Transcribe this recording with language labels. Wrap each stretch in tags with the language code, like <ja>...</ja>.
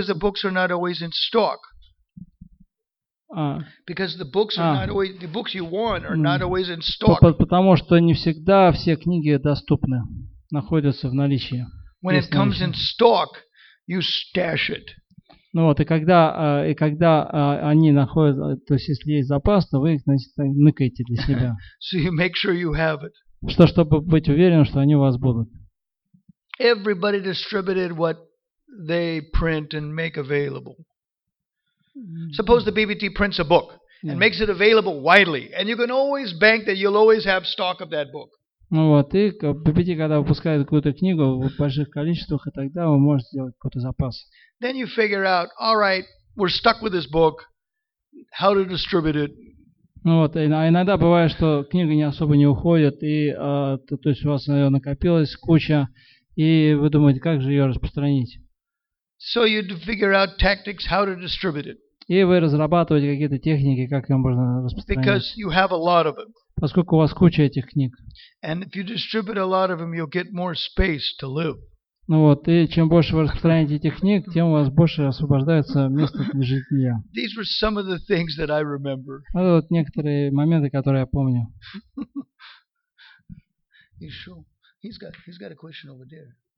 <en>And because the books are not always in stock. Because the books are not always, the books you want are not always in stock.</en> <ru>Потому что не всегда все книги доступны, находятся в наличии.</ru> <en>When it comes in stock, you stash it.</en> <ru>Ну вот, и когда они находятся, то есть если есть запас, то вы их, значит, ныкаете для себя.</ru> <en>So you make sure you have it.</en> <ru>Чтобы быть уверенным, что они у вас будут.</ru> <en>Everybody distributed what they print and make available. Suppose the BBT prints a book and makes it available widely, and you can always bank that you'll always have stock of that book.</en> <ru>Ну вот, и BBT, когда выпускает какую-то книгу в больших количествах, и тогда вы можете сделать какой-то запас.</ru> <en>Then you figure out, all right, we're stuck with this book, how to distribute it.</en> <ru>Ну вот, иногда бывает, что книга не особо не уходит, и то есть у вас ее накопилась куча, и вы думаете, как же ее распространить.</ru> <en>So you figure out tactics how to distribute it.</en> <ru>И вы разрабатываете какие-то техники, как ее можно распространить.</ru> <en>Because you have a lot of them.</en> <ru>Поскольку у вас куча этих книг.</ru> <en>And if you distribute a lot of them, you'll get more space to live.</en> <ru>Ну вот, и чем больше вы распространяете этих книг, тем у вас больше освобождается место для жития.</ru> <en>These were some of the things that I remember.</en> <ru>Это вот некоторые моменты, которые я помню.</ru> <en>He's got a question over there.</en>